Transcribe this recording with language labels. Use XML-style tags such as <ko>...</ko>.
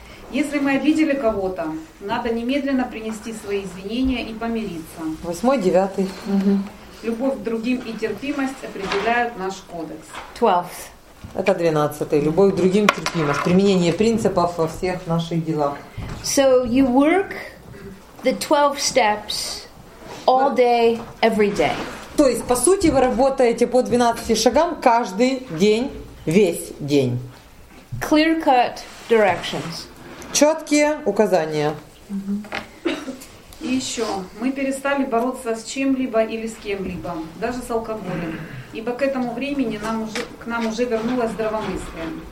<ru>Если мы обидели кого-то, надо немедленно принести свои извинения и помириться. Восьмой, девятый. Любовь к другим и терпимость определяют наш кодекс. 12. Это 12-й. Любовь к другим, терпимость. Применение принципов во всех наших делах.</ru> <en>So you work the 12 steps all day, every day.</en> <ru>То есть, по сути, вы работаете по 12 шагам каждый день, весь день.</ru> <en>Clear-cut directions.</en> <ru>Четкие указания. И еще, мы перестали бороться с чем-либо или с кем-либо, даже с алкоголем, ибо к этому времени к нам уже вернулось здравомыслие.</ru>